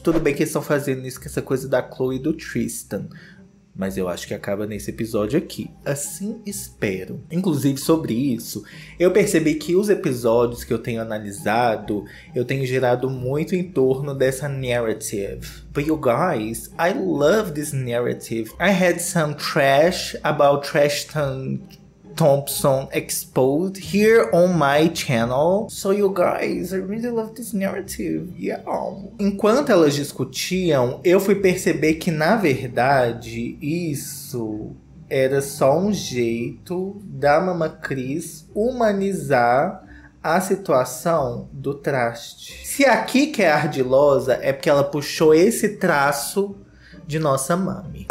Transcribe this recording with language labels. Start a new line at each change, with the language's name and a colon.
Portuguese: Tudo bem que eles estão fazendo isso com essa coisa da Chloe e do Tristan. Mas eu acho que acaba nesse episódio aqui. Assim espero. Inclusive, sobre isso, eu percebi que os episódios que eu tenho analisado, eu tenho girado muito em torno dessa narrative.
English: But you guys, I love this narrative. I had some trash about Tristan Thompson exposed here on my channel. So you guys, I really love this narrative. Yeah.
Portuguese: Enquanto elas discutiam, eu fui perceber que, na verdade, isso era só um jeito da Mama Cris humanizar a situação do traste. Se a Kika é ardilosa, é porque ela puxou esse traço de nossa mami.